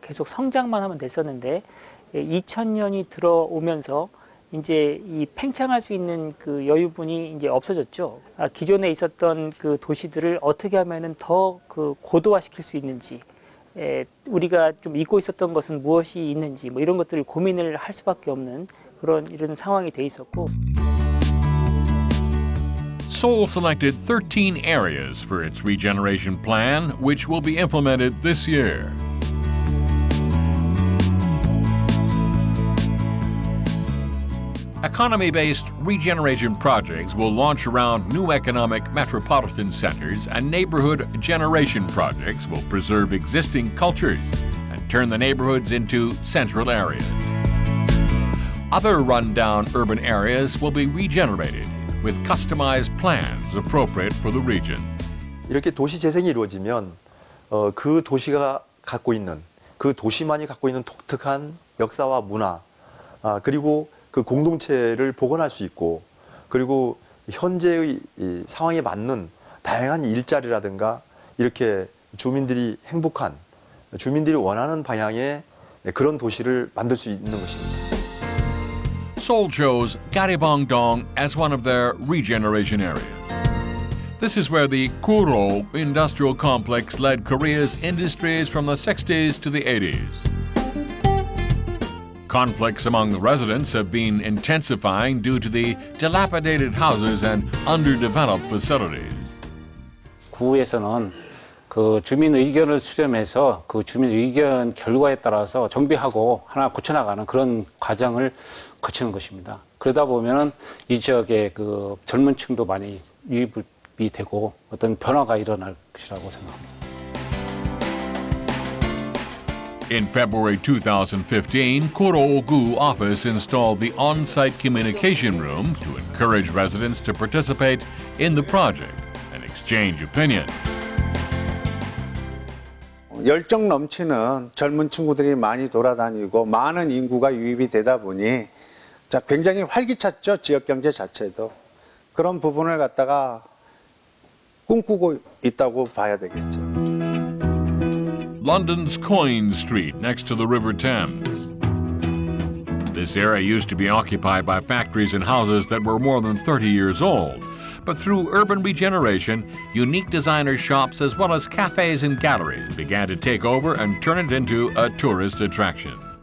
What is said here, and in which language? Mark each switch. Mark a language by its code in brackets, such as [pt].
[ko] 계속 성장만 하면 됐었는데 2000년이 들어오면서 이제 이 팽창할 수 있는 그 여유분이 이제 없어졌죠. 기존에 있었던 그 도시들을 어떻게 하면은 더 그 고도화시킬 수 있는지 우리가 좀 잊고 있었던 것은 무엇이 있는지 뭐 이런 것들을 고민을 할 수밖에 없는 그런 이런 상황이 돼 있었고 [en] Seoul selected 13 areas for its regeneration plan, which will be implemented this year. Economy-based regeneration projects will launch around new economic metropolitan centers, and neighborhood generation projects will preserve existing cultures and turn the neighborhoods into central areas. Other rundown urban areas will be regenerated with customized plans appropriate for the region. [ko] 이렇게 도시 재생이 이루어지면 그 도시가 갖고 있는 그 도시만이 갖고 있는 독특한 역사와 문화 그리고 그 공동체를 복원할 수 있고 그리고 현재의 이 상황에 맞는 다양한 일자리라든가 이렇게 주민들이 행복한 주민들이 원하는 방향의 그런 도시를 만들 수 있는 것입니다. [en] Seoul chose Garibangdong as one of their regeneration areas. This is where the Kuro industrial complex led Korea's industries from the 60s to the 80s. Conflicts among the residents have been intensifying due to the dilapidated houses and underdeveloped facilities. [ko] 구에서는 그 주민 의견을 수렴해서 그 주민 의견 결과에 따라서 정비하고 하나 고쳐나가는 그런 과정을 거치는 것입니다. 그러다 보면은 이 지역의 그 젊은층도 많이 유입이 되고 어떤 변화가 일어날 것이라고 생각합니다. [en] In February 2015, Kuro-gu office installed the on-site communication room to encourage residents to participate in the project and exchange opinions. [ko] 열정 넘치는 젊은 친구들이 많이 돌아다니고 많은 인구가 유입이 되다 보니 굉장히 활기찼죠, 지역 경제 자체도. 그런 부분을 갖다가 꿈꾸고 있다고 봐야 되겠죠. [en] London's Coin Street, next to the River Thames. This area used to be occupied by factories and houses that were more than 30 years old. But through urban regeneration, unique designer shops as well as cafes and galleries began to take over and turn it into a tourist attraction.